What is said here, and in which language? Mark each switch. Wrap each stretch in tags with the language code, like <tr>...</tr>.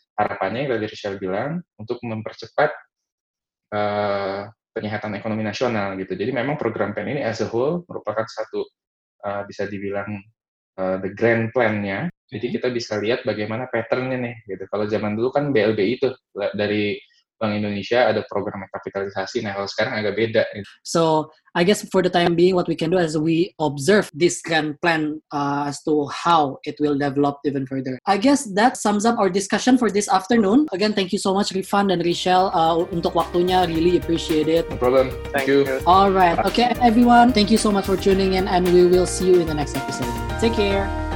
<id>Harapannya yang tadi Rachel bilang untuk mempercepat penyehatan ekonomi nasional gitu. Jadi memang program PEN ini</id> <en>as a whole</en> <id>merupakan satu bisa dibilang the grand plan-nya. Jadi kita bisa lihat bagaimana pattern-nya nih gitu. Kalau zaman dulu kan BLBI tuh dari Bank Indonesia ada program kapitalisasi. Nah, kalau sekarang agak beda.</id> <en>So, I guess for the time being, what we can do is we observe this grand plan as to how it will develop even further. I guess that sums up our discussion for this afternoon. Again, thank you so much, Rifan dan Rachel,</en> <id>untuk waktunya.</id> <en>Really appreciate it. No problem. Thank you. All right. Okay, everyone. Thank you so much for tuning in, and we will see you in the next episode. Take care.</en>